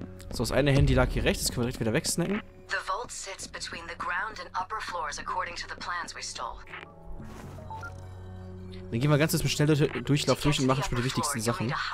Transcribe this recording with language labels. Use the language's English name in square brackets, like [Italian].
[German] So, das eine Handy lag hier rechts, das können wir direkt wieder wegsnacken. [English] The vault sits between the ground and upper floors, according to the plans we stole. [German] Dann gehen wir ganz kurz schnell durchlauf durch und machen schon die wichtigsten Sachen.